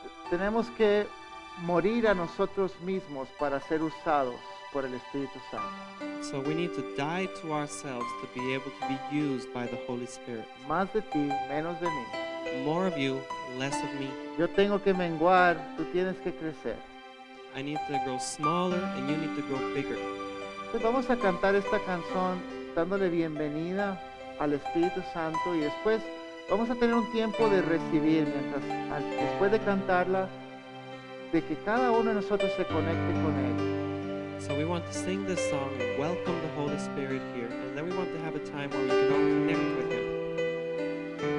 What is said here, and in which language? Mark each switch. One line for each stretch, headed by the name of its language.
Spanish: Tenemos que morir a nosotros mismos para ser usados por el Espíritu Santo.
English: So we need to die to ourselves to be able to be used by the Holy Spirit.
Spanish: Más de ti, menos de mí.
English: More of you, less of me.
Spanish: Yo tengo que menguar, tú tienes que crecer.
English: I need to grow smaller and you need to grow bigger.
Spanish: Entonces vamos a cantar esta canción dándole bienvenida al Espíritu Santo y después vamos a tener un tiempo de recibir mientras, después de cantarla, de que cada uno de nosotros se conecte con Él.
English: So we want to sing this song and welcome the Holy Spirit here, and then we want to have a time where we can all connect with Him.